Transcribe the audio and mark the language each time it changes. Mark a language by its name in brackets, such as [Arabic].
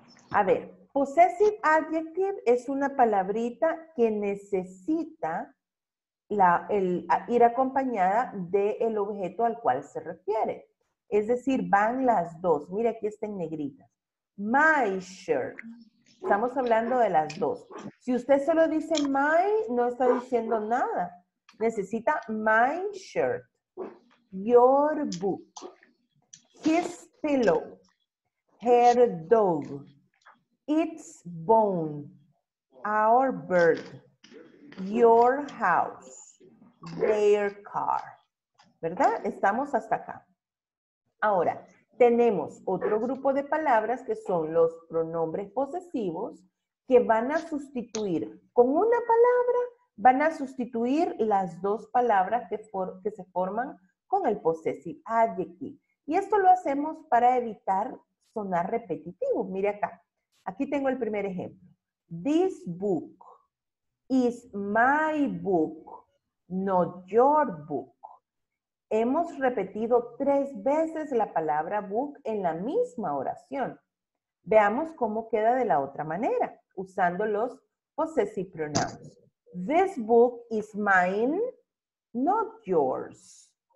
[Spanish] A ver, possessive adjective es una palabrita que necesita ir acompañada del objeto al cual se refiere. Es decir, van las dos. Mira, aquí está en negrita. [English] My shirt. [Spanish] Estamos hablando de las dos. Si usted solo dice my, no está diciendo nada. Necesita [English] my shirt. Your book, his pillow, her dog, its bone, our bird, your house, their car. [Spanish] ¿Verdad? Estamos hasta acá. Ahora, tenemos otro grupo de palabras que son los pronombres posesivos que van a sustituir con una palabra, van a sustituir las dos palabras que se forman con el possessive adjective. Y esto lo hacemos para evitar sonar repetitivo. Mire acá. Aquí tengo el primer ejemplo. [English] This book is my book, not your book. [Spanish] Hemos repetido 3 veces la palabra book en la misma oración. Veamos cómo queda de la otra manera, usando los possessive pronouns. [English] This book is mine, not yours.